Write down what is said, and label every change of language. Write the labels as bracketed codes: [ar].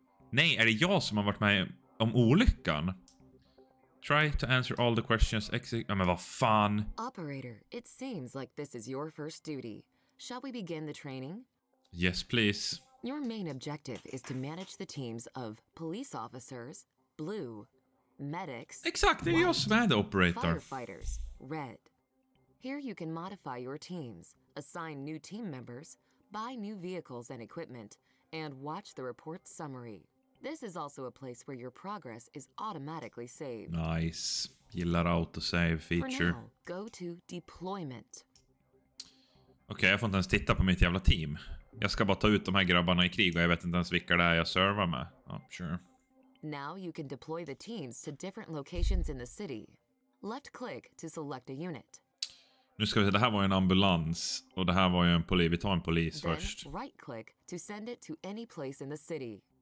[sv] Nej, är det jag som har varit med om olyckan? [en] Try to answer all the questions. [sv] Ja, men vad fan. [en] Operator, it seems like this is your first duty. Shall we begin the training? Yes, please. Your main objective is to manage the teams of police officers, blue, medics. [sv] Exakt, det är jag som är [en] the operator. Firefighters, red. Here you can modify your teams, assign new team members, buy new vehicles and equipment, and watch the report summary. This is also a place where your progress is automatically saved. [sv] Nice. Gillar autosave feature. [en] For now, go to deployment. [sv] Okej, jag får inte ens titta på mitt jävla team. Jag ska bara ta ut de här grabbarna i krig och jag vet inte ens vilka det är jag servar med. [en] Oh, sure. Now you can deploy the teams to different locations in the city. Left click to select a unit. [sv] Nu ska vi se, det här var ju en ambulans och det här var ju en polis. Vi tar en polis [en] then, [sv] först. [en] Right click to send it to any place in the city.